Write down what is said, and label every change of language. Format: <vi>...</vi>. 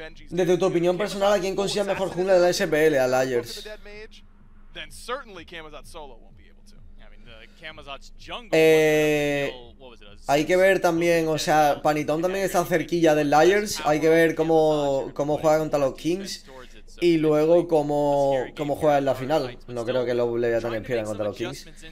<es>Desde tu opinión personal, ¿a quién consigue mejor jungla de la SPL? A Liars.</es> <en>Then certainly Kamazots solo won't be able to. I mean, the Kamazots jungle.</en> <es>Hay que ver también, o sea, Panitón también está cerquilla de Liars. Hay que ver cómo juega contra los Kings y luego cómo juega en la final. No creo que lo vaya a tener piedra contra los Kings.</es>